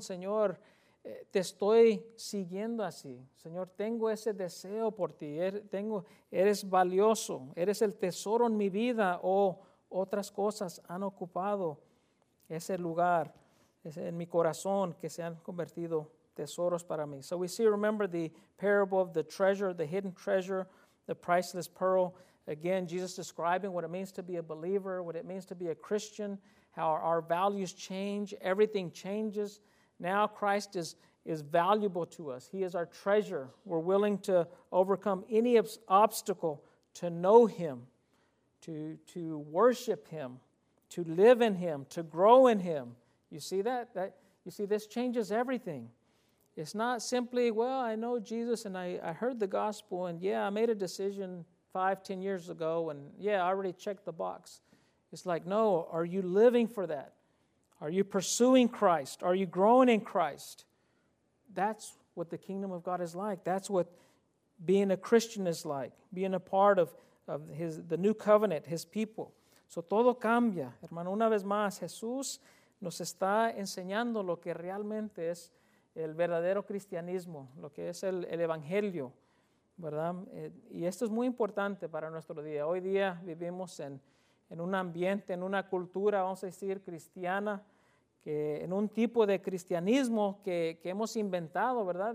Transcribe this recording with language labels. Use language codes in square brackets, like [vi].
[es] Señor, te estoy siguiendo así. Señor, tengo ese deseo por ti. Eres valioso. Eres el tesoro en mi vida. O otras cosas han ocupado ese lugar en mi corazón que se han convertido tesoros para mí. [en] So we see, remember the parable of the treasure, the hidden treasure, the priceless pearl. Again, Jesus describing what it means to be a believer, what it means to be a Christian, how our values change, everything changes. Now Christ is valuable to us. He is our treasure. We're willing to overcome any obstacle to know Him, to worship Him, to live in Him, to grow in Him. You see that? You see, this changes everything. It's not simply, well, I know Jesus and I heard the gospel and yeah, I made a decision 5-10 years ago and yeah, I already checked the box. It's like, no, are you living for that? Are you pursuing Christ? Are you growing in Christ? That's what the kingdom of God is like. That's what being a Christian is like, being a part of the new covenant, His people. So [es] todo cambia. Hermano, una vez más, Jesús nos está enseñando lo que realmente es el verdadero cristianismo, lo que es el evangelio, ¿verdad? Y esto es muy importante para nuestro día. Hoy día vivimos en un ambiente, en una cultura, vamos a decir, cristiana, que en un tipo de cristianismo que hemos inventado, ¿verdad?